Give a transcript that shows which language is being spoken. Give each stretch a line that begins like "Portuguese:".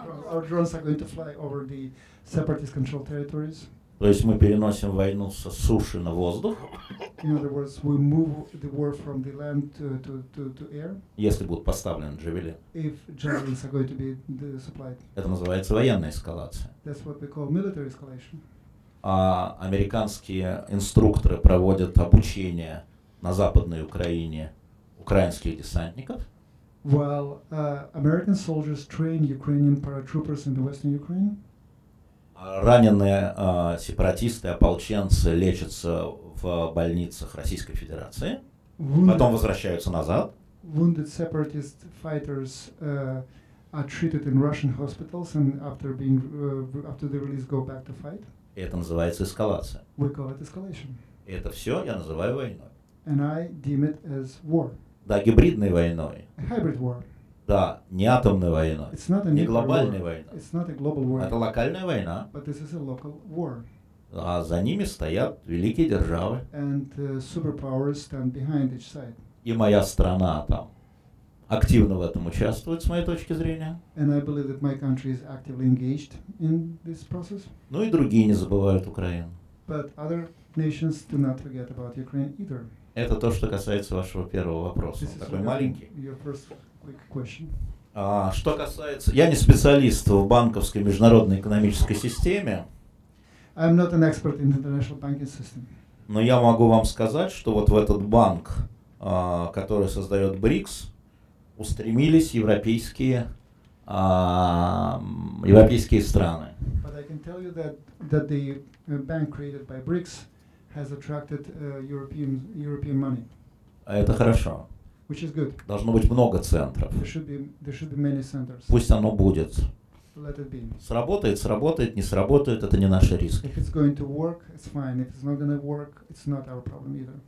English: Our drones are going to fly over the separatist controlled territories.
Russian: То есть мы переносим войну со суши на воздух.
English: In other words, we move the war from the land to air.
Russian: Если будут поставлены джавелины.
English: If javelins are going to be supplied.
Russian: Это называется военная эскалация.
English: That's what we call military escalation.
Russian: А американские инструкторы проводят обучение на Западной Украине украинских десантников.
English: While American soldiers train Ukrainian paratroopers in the Western Ukraine.
Russian: Раненые сепаратисты, ополченцы лечатся в больницах Российской Федерации, потом возвращаются назад.
English: Wounded separatist fighters are treated in Russian hospitals and after being after the release go back to fight.
Russian: Это называется эскалация.
English: We call it escalation.
Russian: Это все я называю войной.
English: And I deem it as war.
Russian: Да, гибридной войной.
English: A hybrid war.
Russian: Да, не атомная война,
English: it's not
Russian: не глобальная война.
English: It's not a global war.
Russian: Это локальная война.
English: But this is a local war.
Russian: А за ними стоят великие державы.
English: And superpowers stand behind each side.
Russian: И моя страна там активно в этом участвует, с моей точки зрения.
English: And I believe that my country is actively engaged in this process.
Russian: Ну и другие не забывают Украину.
English: But other nations do not forget about Ukraine either.
Russian: Это то, что касается вашего первого вопроса.
English: This
Russian: такой маленький.
English: Your first quick question.
Russian: Что касается, я не специалист в банковской международной экономической системе.
English: I'm not an expert in the international banking system.
Russian: Но я могу вам сказать, что вот в этот банк, который создает БРИКС, устремились европейские страны.
English: But I can tell you that the bank created by BRICS has attracted European money.
Russian: А это хорошо.
English: Which is good.
Russian: Должно быть много центров.
English: There should be many centers.
Russian: Пусть оно будет.
English: Let it be.
Russian: Сработает, сработает, не сработает, это не наши риски.
English: If it's going to work, it's fine. If it's not going to work, it's not our problem either.